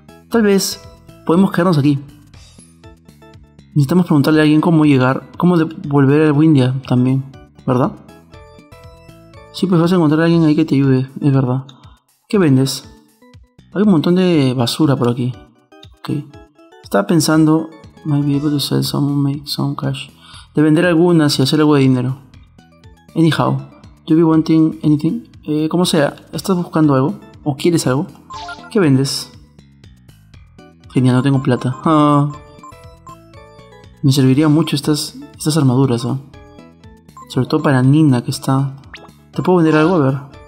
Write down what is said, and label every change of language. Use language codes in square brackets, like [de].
[es] Tal vez podemos quedarnos aquí. Necesitamos preguntarle a alguien cómo llegar, cómo volver a Windia también, ¿verdad? Sí, pues vas a encontrar a alguien ahí que te ayude, es verdad. ¿Qué vendes? Hay un montón de basura por aquí. Ok. Estaba pensando, [en] might be able to sell some, make some cash. [es] De vender algunas y hacer algo de dinero. [en] Anyhow, do you be wanting anything? [es] Como sea, ¿estás buscando algo? ¿O quieres algo? ¿Qué vendes? Genial, no tengo plata. Me serviría mucho estas armaduras, ¿no? Sobre todo para Nina, que está... ¿Te puedo vender algo? A ver.